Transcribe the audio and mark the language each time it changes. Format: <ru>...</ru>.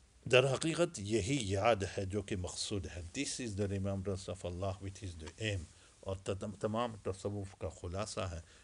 <ur>در حقیقت یہی یاد ہے جو کہ مقصود ہے.</ur> <en>This is the remembrance of Allah which is the aim.</en> <ur>اور تمام تصوف کا خلاصہ ہے.</ur>